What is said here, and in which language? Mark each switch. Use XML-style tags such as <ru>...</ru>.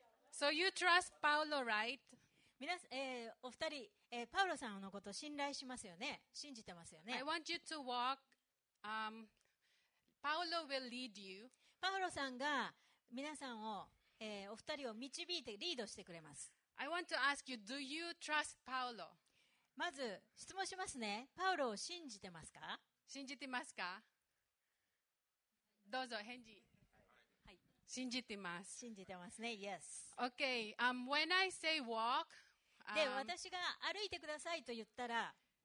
<en>So you trust Paulo, right?</en> <ja>皆さん、お二人、パウロさんのことを信頼しますよね、信じてますよね。</ja> <en>I want you to walk. Paulo will lead you.</en> <ja>パウロさんが皆さんを、お二人を導いてリードしてくれます。</ja> <en>I want to ask you, do you trust Paulo?</en> <ja>まず質問しますね。パウロを信じてますか？信じてますか？どうぞ返事。信じてます。信じてますね。Yes.</ja> <en>Okay. When I say walk,</en> <ja>で私が歩いてくださいと言ったら、</ja>